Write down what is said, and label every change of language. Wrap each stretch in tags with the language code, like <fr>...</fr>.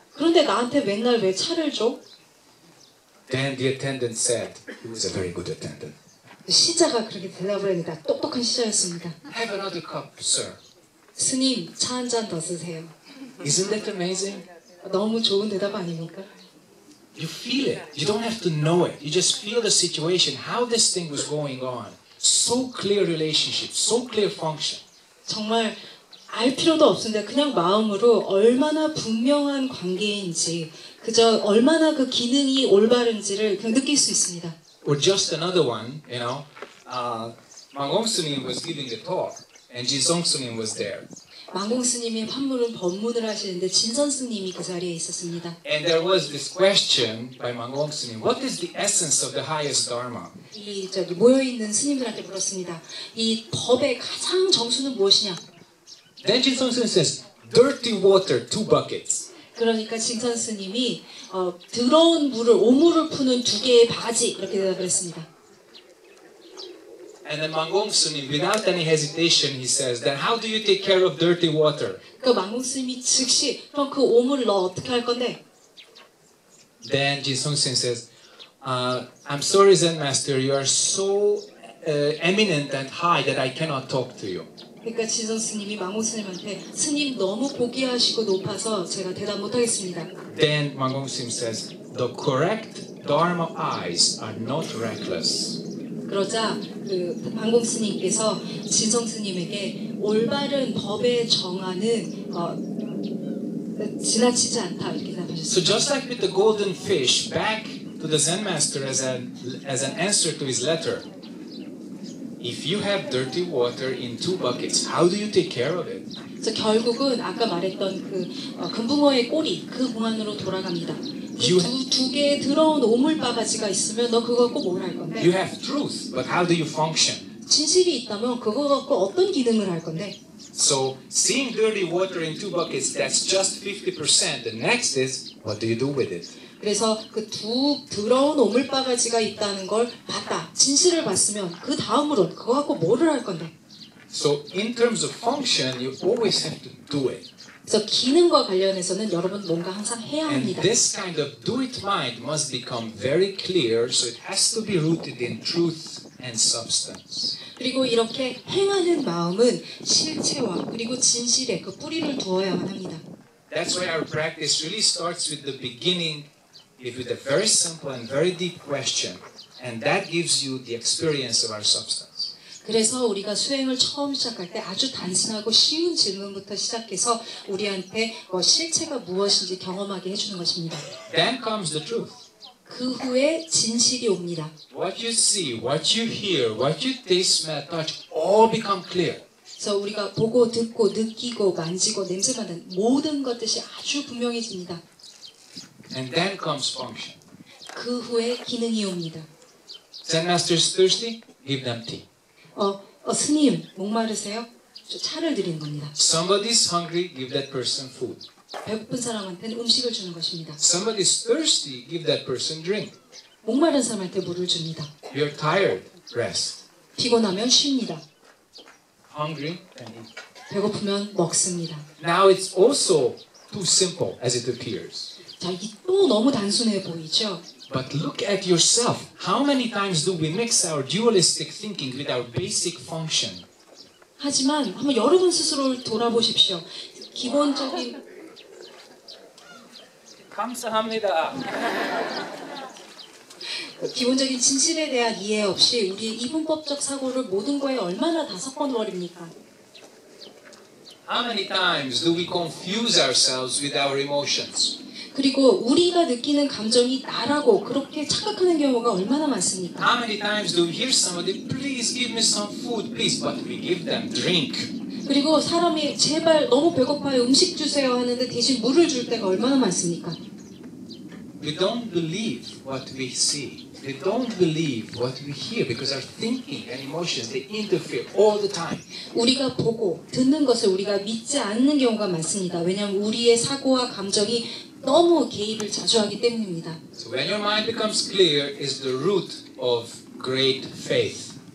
<ko>그런데 나한테 맨날 왜 차를 줘?</ko> <en>Then the attendant said, he was a very good attendant.</en> <ko>시자가 그렇게 대답을 했는데 똑똑한 시자였습니다.</ko> <en>Have another cup, sir.</en> <ko>스님, 차 한 잔 더 쓰세요.</ko> <en>Isn't that amazing?</en> <ko>너무 좋은 대답 아닙니까?</ko> <en>You feel it. You don't have to know it. You just feel the situation, how this thing was going on. So clear relationship, so clear function.</en> <ko>정말 알 필요도 없는데 그냥 마음으로 얼마나 분명한 관계인지 그저 얼마나 그 기능이 올바른지를 그냥 느낄 수 있습니다.</ko> <en>Or just another one, you know. Manggong Sunim was giving a talk and Jinsong Sunim was there.</en> <ko>만공 스님이 법문을 하시는데 진선 스님이 그 자리에 있었습니다.</ko> <en>And there was this question by 만공 스님. What is the essence of the highest dharma?</en> <ko>이 저기 모여 있는 스님들한테 물었습니다. 이 법의 가장 정수는 무엇이냐?</ko> <en>Then Jinsong Sunim says, dirty water, two buckets.</en> <ko>그러니까 진선 스님이 더러운 물을, 오물을 푸는 두 개의 바가지, 이렇게 대답을 했습니다.</ko> <en>And then Manggong Sunim, without any hesitation, he says, then how do you take care of dirty water?</en> <ko>그러니까 만공 스님이 즉시, 그럼 그 오물을 너 어떻게 할 건데?</ko> <en>Then Jinsong Sunim says, I'm sorry Zen Master, you are so eminent and high that I cannot talk to you.</en> <ko>그러니까 진선 스님이 만공 스님한테 스님 너무 고귀하시고 높아서 제가 대답 못하겠습니다.</ko> <en>Then 만공 스님 says, the correct dharma eyes are not reckless.</en> <ko>그러자 그 만공 스님께서 진선 스님에게 올바른 법의 정아는 지나치지 않다 이렇게 답하셨습니다.</ko> <en>So just like with the golden fish, back to the Zen master as an answer to his letter. If you have dirty water in two buckets, how do you take care of it?</en> <ko>저 결국은 아까 말했던 그 금붕어의 꼬리 그 공안으로 돌아갑니다. 두 개의 더러운 오물 바가지가 있으면 너 그거 갖고 뭘 할 건데?</ko> <en>You have truth, but how do you function?</en> <ko>진실이 있다면 그거 갖고 어떤 기능을 할 건데?</ko> <en>So seeing dirty water in two buckets, that's just 50%. The next is, what do you do with it?</en> <ko>그래서 그 두 더러운 오물바가지가 있다는 걸 봤다. 진실을 봤으면 그 다음으로 그거 갖고 뭐를 할 건데?</ko> <en>So in terms of function, you always have to do it.</en> <ko>그래서 기능과 관련해서는 여러분 뭔가 항상 해야 합니다.</ko> <en>And this kind of do-it mind must become very clear, so it has to be rooted in truth and substance.</en> <ko>그리고 이렇게 행하는 마음은 실체와 그리고 진실에 그 뿌리를 두어야만 합니다.</ko> <en>That's why our practice really starts with the beginning, with a very simple and very deep question, and that gives you the experience of our substance.</en> <ko>그래서 우리가 수행을 처음 시작할 때 아주 단순하고 쉬운 질문부터 시작해서 우리한테 뭐 실체가 무엇인지 경험하게 해주는 것입니다.</ko> <en>Then comes the truth.</en> <ko>그 후에 진실이 옵니다.</ko> <en>What you see, what you hear, what you taste, smell, touch, all become clear.</en> <ko>그래서 우리가 보고 듣고 느끼고 만지고 냄새 맡는 모든 것들이 아주 분명해집니다.</ko> <en>And then comes function.</en> <ko>그 후에 기능이 옵니다.</ko> <en>Zen masters thirsty? Give them tea.</en> <ko>스님 목마르세요? 저 차를 드리는 겁니다.</ko> <en>Somebody's hungry? Give that person food.</en> <ko>배고픈 사람한테는 음식을 주는 것입니다.</ko> <en>Somebody's thirsty, give that person drink.</en> <ko>목마른 사람한테 물을 줍니다.</ko> <en>You're tired, rest.</en> <ko>피곤하면 쉽니다.</ko> <en>Hungry, then eat.</en> <ko>배고프면 먹습니다.</ko> <en>Now it's also too simple as it appears.</en> <ko>자, 이게 또 너무 단순해 보이죠?</ko> <en>But look at yourself. How many times do we mix our dualistic thinking with our basic function?</en> <ko>하지만 한번 여러분 스스로를 돌아보십시오. 기본적인 감사합니다. 기본적인 진실에 대한 이해 없이 우리의 이분법적 사고를 모든 거에 얼마나 다 섞어놓으십니까?</ko> <en>How many times do we confuse ourselves with our emotions?</en> <ko>그리고 우리가 느끼는 감정이 나라고 그렇게 착각하는 경우가 얼마나 많습니까?</ko> <en>How many times do we hear somebody, please give me some food, please, but we give them drink?</en> <ko>그리고 사람이 제발 너무 배고파요 음식 주세요 하는데 대신 물을 줄 때가 얼마나 많습니까?</ko> <en>We don't believe what we see. We don't believe what we hear because our thinking and emotions they interfere all the time.</en> <ko>우리가 보고 듣는 것을 우리가 믿지 않는 경우가 많습니다. 왜냐하면 우리의 사고와 감정이 너무 개입을 자주 하기 때문입니다.</ko> <en>So when your mind becomes clear is the root of great faith.</en>